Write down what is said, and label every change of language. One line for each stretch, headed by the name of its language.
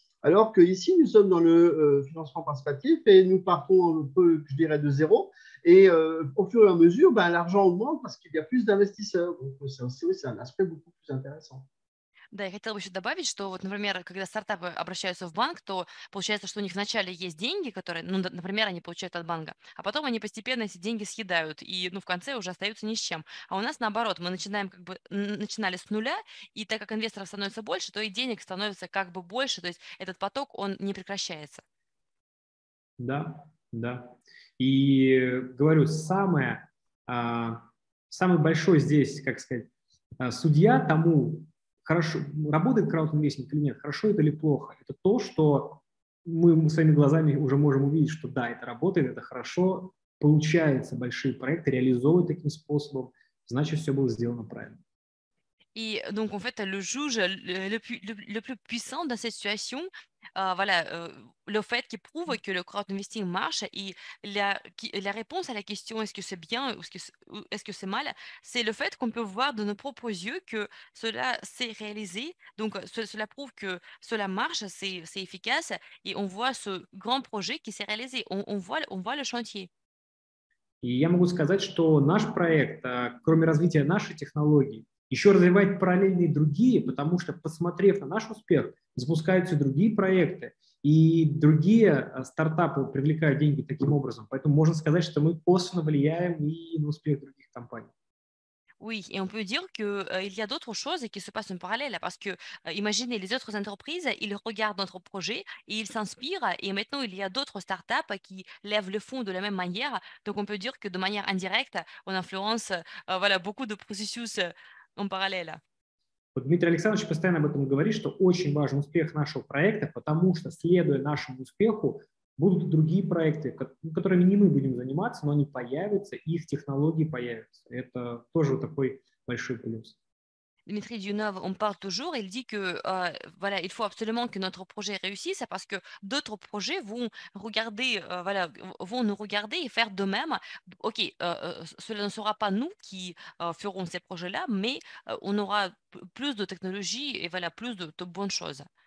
French: Alors qu'ici, nous sommes dans le financement participatif et nous partons un peu, je dirais, de zéro. Et au fur et à mesure, ben, l'argent augmente parce qu'il y a plus d'investisseurs. Donc, c'est un aspect beaucoup plus intéressant.
Russian: Да, я хотела бы еще добавить, что вот, например, когда стартапы обращаются в банк, то получается, что у них вначале есть деньги, которые, ну, например, они получают от банка, а потом они постепенно эти деньги съедают, и, ну, в конце уже остаются ни с чем. А у нас наоборот, мы начинаем как бы, начинали с нуля, и так как инвесторов становится больше, то и денег становится как бы больше, то есть этот поток, он не прекращается. Да, да. И говорю, самый большой здесь, как сказать, судья тому, хорошо, работает краудинвестинг или нет, хорошо это или плохо, это то, что мы своими глазами уже можем увидеть, что да, это работает, это хорошо, получается большие проекты реализовывать таким способом, значит, все было сделано правильно. И,
French: donc, en fait, le juge le plus puissant dans cette situation, voilà, le fait qui prouve que le краудинвестинг marche,
Russian: и
French: la réponse à la question est-ce que c'est bien ou est-ce que c'est mal, c'est le fait qu'on peut voir de nos propres yeux que cela s'est réalisé, donc cela prouve que cela marche, c'est efficace, et on voit ce grand projet qui s'est réalisé, on voit le chantier.
Russian: И я могу сказать, что наш проект, кроме развития нашей технологии, еще развивать параллельные другие, потому что, посмотрев на наш успех, запускаются другие проекты, и другие стартапы привлекают деньги таким образом. Поэтому можно сказать, что мы косвенно влияем и на успех других компаний.
French: Oui, et on peut dire qu'il y a d'autres choses qui se passent en parallèle, parce que, imaginez, les autres entreprises, ils regardent notre projet et ils s'inspirent, et maintenant, il y a d'autres startups qui lèvent le fonds de la même manière, donc on peut dire que de manière indirecte, on influence voilà, beaucoup de processus en parallèle.
Russian: Вот Дмитрий Александрович постоянно об этом говорит, что очень важен успех нашего проекта, потому что, следуя нашему успеху, будут другие проекты, которыми не мы будем заниматься, но они появятся, их технологии появятся. Это тоже такой большой плюс.
French: Dmitry Dionov, on parle toujours, il dit que voilà, il faut absolument que notre projet réussisse parce que d'autres projets vont regarder, voilà, vont nous regarder et faire de même. Ok, cela ne sera pas nous qui ferons ces projets-là, mais on aura plus de technologies et voilà, plus de bonnes choses.